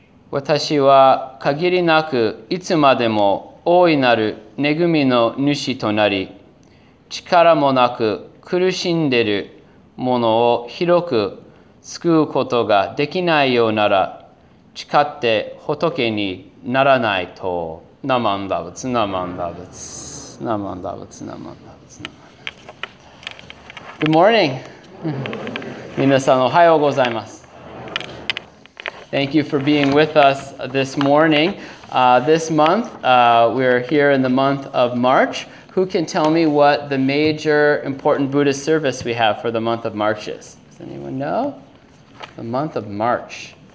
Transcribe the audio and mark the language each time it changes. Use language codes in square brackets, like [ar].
[ja] Watashi wa kagiri naku itsu made mo oinaru negumi no nushi tonari, chikara mo naku kurushinderu ものを広く救うことができないようなら誓って仏にならないと。ナマンダブツ、ナマンダブツ、ナマンダブツ、ナマンダブツ。 [en] Good morning. [ja] 皆さんおはようございます。 [en] Thank you for being with us this morning. This month, we're here in the month of March. Who can tell me what the major important Buddhist service we have for the month of March is? Does anyone know? The month of March.